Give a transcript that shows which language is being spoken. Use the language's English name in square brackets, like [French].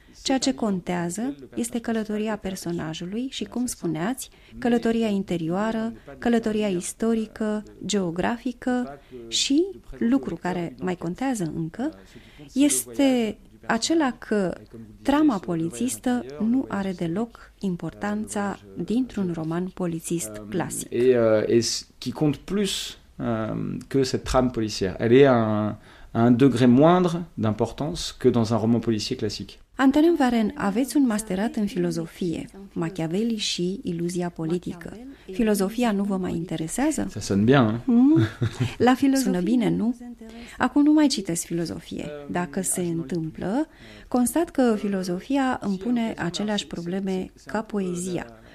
[Romanian] Ceea ce contează este călătoria personajului și, cum spuneați, călătoria interioară, călătoria istorică, geografică și, lucru care mai contează încă, este acela că trama polițistă nu are deloc importanța dintr-un roman polițist clasic. [French] Qui compte plus que cette trame policière. Elle est un degré moindre d'importance que dans un roman policier classique. [Romanian] Antonin Varen, aveți un masterat în filozofie, Machiavelli și iluzia politică. Filozofia nu vă mai interesează? [French] Ça sonne bien. [Romanian] La filozofie sună bine, nu? Acum nu mai citesc filozofie. Dacă se întâmplă, constat că filozofia îmi pune aceleași probleme ca poezia.